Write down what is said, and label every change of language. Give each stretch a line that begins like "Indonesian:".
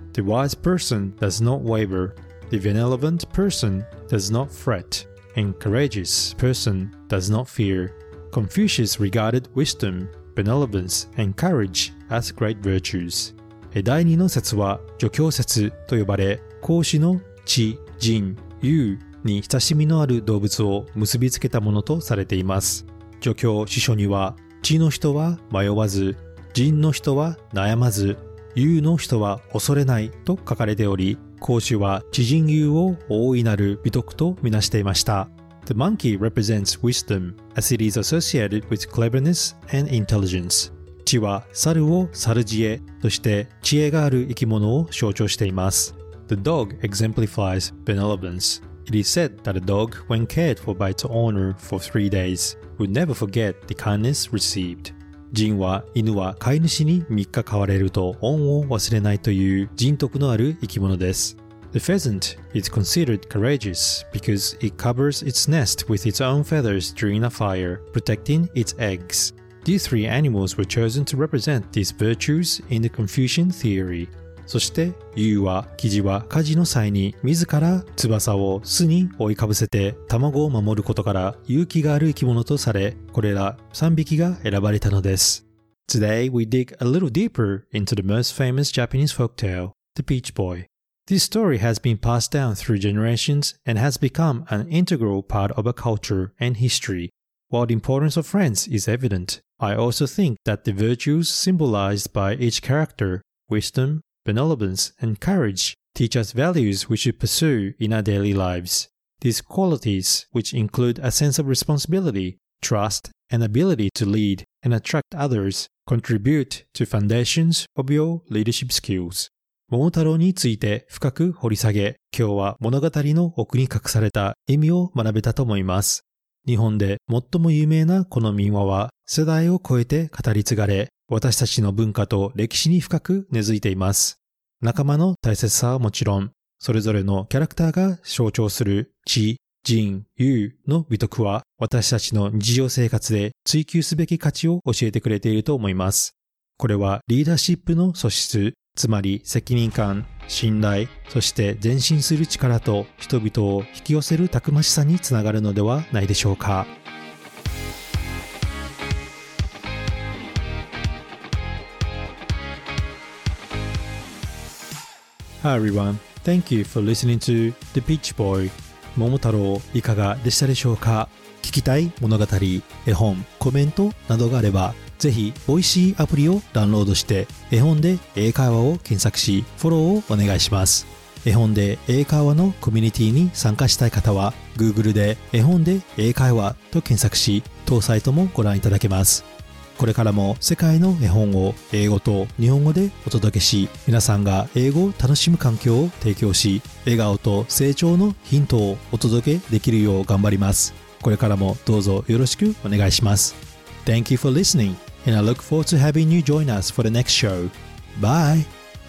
English: The wise person does not waver. The benevolent person does not fret. And courageous person does not fear. Confucius regarded wisdom, benevolence, and courage as great virtues.
Japanese: 第二の説は儒教説と呼ばれ、孔子の知、仁、勇に親しみのある動物を結びつけたものとされています。儒教史書には、知の人は迷わず、仁の人は悩まず、勇の人は恐れないと書かれており、孔子は知人勇を大いなる美徳とみなしていました。
English: The monkey represents wisdom, as it is associated with cleverness and intelligence.
Japanese: 知は猿を猿知恵として知恵がある生き物を象徴しています。
English: The dog exemplifies benevolence. It is said that a dog, when cared for by its owner for 3 days, would never forget the kindness received.
Japanese: 人は犬は飼い主に3日飼われると恩を忘れないという人徳のある生き物です。
English: The pheasant is considered courageous because it covers its nest with its own feathers during a fire, protecting its eggs. These three animals were chosen to represent these virtues in the Confucian theory.
Japanese: そして、雄は、キジは火事の際に自ら翼を巣に覆いかぶせて卵を守ることから勇気がある生き物とされ、これら3匹が選ばれたのです。
English: Today we dig a little deeper into the most famous Japanese folktale, The Peach Boy. This story has been passed down through generations and has become an integral part of a culture and history. While the importance of friends is evident, I also think that the virtues symbolized by each character, wisdom,Benevolence and courage teach us values we should pursue in our daily lives. These qualities, which include a sense of responsibility, trust, and ability to lead and attract others, contribute to foundations of your leadership skills.
Japanese: 桃太郎について深く掘り下げ、今日は物語の奥に隠された意味を学べたと思います。日本で最も有名なこの民話は世代を超えて語り継がれ、私たちの文化と歴史に深く根付いています。仲間の大切さはもちろん、それぞれのキャラクターが象徴する知、仁、勇の美徳は、私たちの日常生活で追求すべき価値を教えてくれていると思います。これはリーダーシップの素質、つまり責任感、信頼、そして前進する力と人々を引き寄せるたくましさにつながるのではないでしょうか。
English: Hi everyone, thank you for listening to The Peach Boy.
Japanese: 桃太郎いかがでしたでしょうか。聞きたい物語、絵本、コメントなどがあればぜひ Voicy アプリをダウンロードして絵本で英会話を検索しフォローをお願いします。絵本で英会話のコミュニティに参加したい方は Google で絵本で英会話と検索し当サイトもご覧いただけます。これからも世界の絵本を英語と日本語でお届けし、皆さんが英語を楽しむ環境を提供し、笑顔と成長のヒントをお届けできるよう頑張ります。これからもどうぞよろしくお願いします。
English: Thank you for listening, and I look forward to having you join us for the next show. Bye!